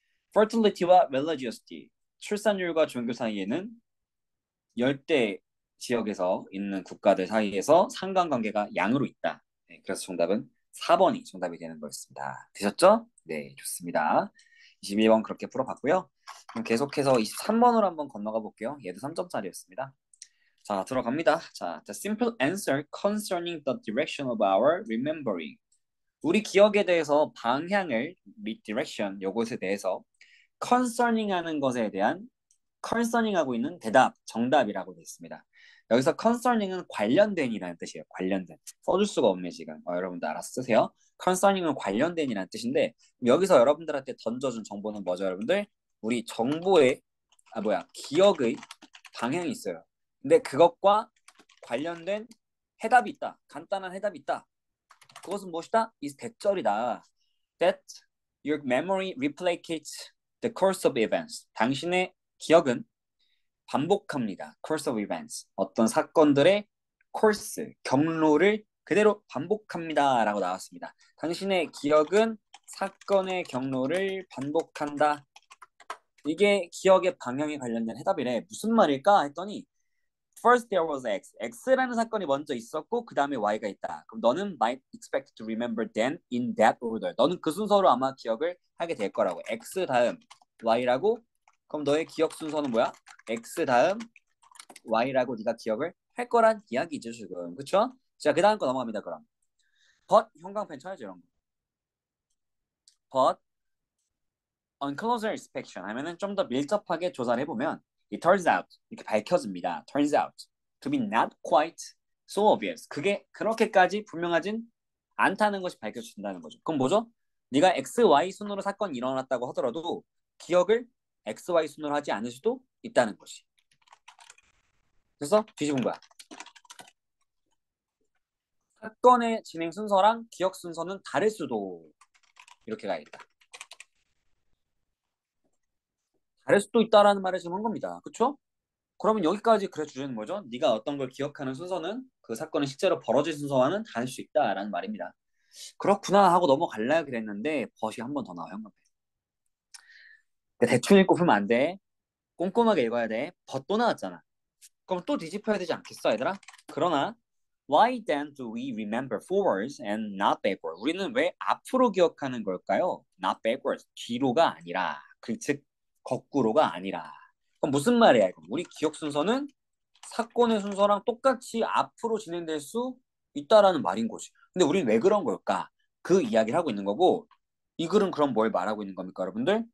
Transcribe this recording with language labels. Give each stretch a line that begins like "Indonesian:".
Korean: Fertility와 religiosity, 출산율과 종교 사이에는 열대 지역에서 있는 국가들 사이에서 상관관계가 양으로 있다. 네, 그래서 정답은 4번이 정답이 되는 거였습니다. 되셨죠? 네, 좋습니다. 21번 그렇게 풀어봤고요. 그럼 계속해서 23번으로 한번 건너가 볼게요. 얘도 3점짜리였습니다. 자, 들어갑니다.
English: 자, The simple answer concerning the direction of our remembering.
Korean: 우리 기억에 대해서 방향을, direction, 요것에 대해서 concerning 하는 것에 대한 concerning 하고 있는 대답, 정답이라고 되어 있습니다. 여기서 concerning은 관련된이라는 뜻이에요. 관련된. 써줄 수가 없네, 지금. 여러분도 알아서 쓰세요. concerning은 관련된이라는 뜻인데, 여기서 여러분들한테 던져준 정보는 뭐죠, 여러분들? 우리 정보의, 아, 뭐야, 기억의 방향이 있어요. 근데 그것과 관련된 해답이 있다. 간단한 해답이 있다. 그것은 무엇이다? is 대절이다.
English: That your memory replicates the course of events.
Korean: 당신의 기억은 반복합니다.
English: Course of events.
Korean: 어떤 사건들의 course, 경로를 그대로 반복합니다. 라고 나왔습니다. 당신의 기억은 사건의 경로를 반복한다. 이게 기억의 방향에 관련된 해답이래. 무슨 말일까? 했더니,
English: First there was X.
Korean: X라는 사건이 먼저 있었고, 그 다음에 Y가 있다. 그럼 너는
English: might expect to remember then in that order.
Korean: 너는 그 순서로 아마 기억을 하게 될 거라고. X 다음 Y라고. 그럼 너의 기억 순서는 뭐야? X 다음 Y라고 네가 기억을 할 거란 이야기죠, 지금. 그쵸? 자, 그 다음 거 넘어갑니다, 그럼. But, 형광펜 쳐야지, 이런 거.
English: But, on closer inspection,
Korean: 하면은 좀더 밀접하게 조사를 해보면,
English: It turns out,
Korean: 이렇게 밝혀집니다.
English: Turns out to be not quite so obvious.
Korean: 그게 그렇게까지 분명하진 않다는 것이 밝혀진다는 거죠. 그럼 뭐죠? 네가 X, Y 순으로 사건이 일어났다고 하더라도 기억을 X, Y 순으로 하지 않을 수도 있다는 것이. 그래서 뒤집은 거야. 사건의 진행 순서랑 기억 순서는 다를 수도 이렇게 가야겠다. 다를 수도 있다라는 말을 지금 한 겁니다. 그렇죠? 그러면 여기까지 그래 주는 거죠. 네가 어떤 걸 기억하는 순서는 그 사건이 실제로 벌어진 순서와는 다를 수 있다라는 말입니다. 그렇구나 하고 넘어갈라 그랬는데 벗이 한번더 나와요. 대충 읽고 풀면 안 돼. 꼼꼼하게 읽어야 돼. 벗또 나왔잖아. 그럼 또 뒤집혀야 되지 않겠어, 얘들아? 그러나
English: why then do we remember forwards and not backwards?
Korean: 우리는 왜 앞으로 기억하는 걸까요?
English: Not backwards.
Korean: 뒤로가 아니라. 그즉 거꾸로가 아니라. 그럼 무슨 말이야, 이거? 우리 기억 순서는 사건의 순서랑 똑같이 앞으로 진행될 수 있다라는 말인 거지. 근데 우린 왜 그런 걸까? 그 이야기를 하고 있는 거고, 이 글은 그럼 뭘 말하고 있는 겁니까, 여러분들?